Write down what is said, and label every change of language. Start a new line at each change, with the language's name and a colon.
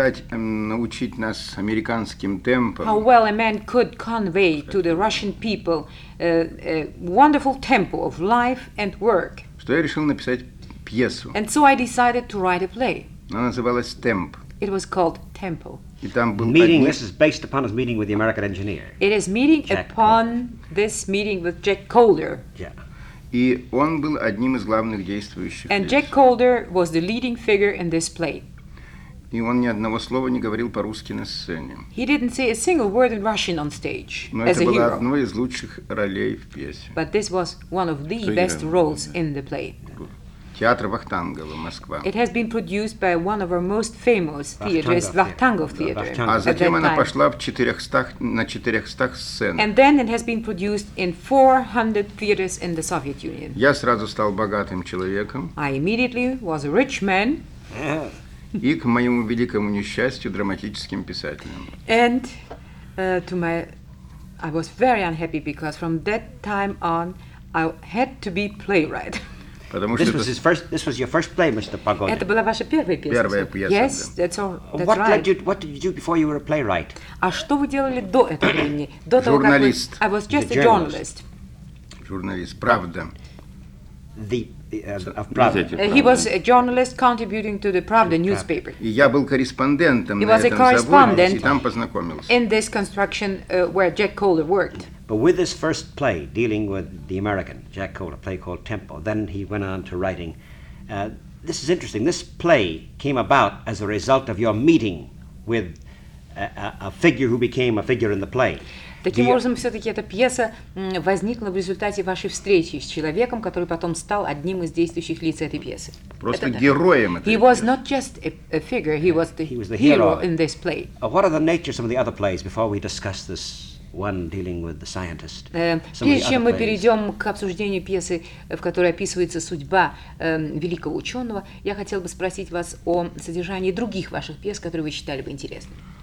Russian: Научить нас американским темпом.
English: How well a man could convey to the Russian people a wonderful tempo of life and work.
Russian: Что я решил написать пьесу.
English: And so I decided to write a play.
Russian: Она называлась «Темп».
English: It was called «Tempo».
Russian: И там был
English: meeting, this is based upon his meeting with the American engineer. It is meeting Jack upon Colder. This meeting with Jack Colder. Yeah.
Russian: И он был одним из главных действующих.
English: And Jack Colder was the leading figure in this play.
Russian: И он ни одного слова не говорил по-русски на сцене.
English: He didn't say a single word in Russian on stage.
Russian: Но
English: as
Russian: это
English: a
Russian: было
English: hero.
Russian: Одной из лучших ролей в пьесе.
English: But this was one of the best roles in the play.
Russian: Театр Вахтангова, Москва.
English: It has been produced by one of our most famous theaters, Вахтангов Theater.
Russian: Вахтангов. А затем она пошла на 400 сценах.
English: And then it has been produced in 400 theaters in the Soviet Union.
Russian: Я сразу стал богатым человеком.
English: I immediately was a rich man.
Russian: И к моему великому несчастью драматическим писателем.
English: And I was very unhappy because from that time on I had to be playwright. This was your first play, Mr. Pagodin.
Russian: Это была ваша первая пьеса. Первая пьеса.
English: Yes, that's right. What did you do before you were a playwright?
Russian: А что вы делали до этого времени? До того, журналист.
English: I was just a journalist.
Russian: Журналист, правда.
English: He was a journalist contributing to the Pravda newspaper.
Russian: И я был корреспондентом.
English: He was a correspondent.
Russian: И там познакомился.
English: In this construction where Jack Colder worked. But with his first play, dealing with the American, Jack Colder, a play called Tempo, then he went on to writing. This is interesting. This play came about as a result of your meeting with a figure who became a figure in the play.
Russian: Таким образом, все-таки эта пьеса возникла в результате вашей встречи с человеком, который потом стал одним из действующих лиц этой пьесы. Просто героем этой пьесы.
English: He was not just a figure, he was the hero in this play. What are the natures of the other plays before we discuss this? One dealing with the scientist.
Russian: Прежде чем мы перейдем к обсуждению пьесы, в которой описывается судьба великого ученого, я хотел бы спросить вас о содержании других ваших пьес, которые вы считали бы интересными.